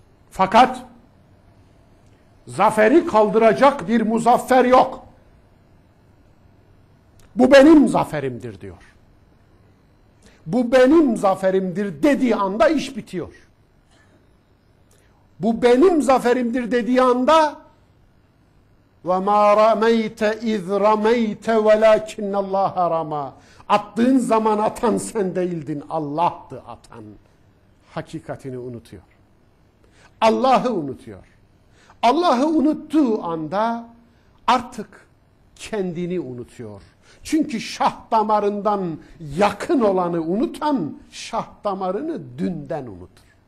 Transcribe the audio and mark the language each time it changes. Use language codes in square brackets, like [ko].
[tr] Fakat zaferi kaldıracak bir muzaffer yok. Bu benim zaferimdir diyor. Bu benim zaferimdir dediği anda iş bitiyor. Bu benim zaferimdir dediği anda [ar] وَمَا رَمَيْتَ اِذْ رَمَيْتَ وَلَاكِنَّ اللّٰهَ رَمَى. [tr] Attığın zaman atan sen değildin, Allah'tı atan. Hakikatini unutuyor. Allah'ı unutuyor. Allah'ı unuttuğu anda artık kendini unutuyor. Çünkü şah damarından yakın olanı unutan şah damarını dünden unutur.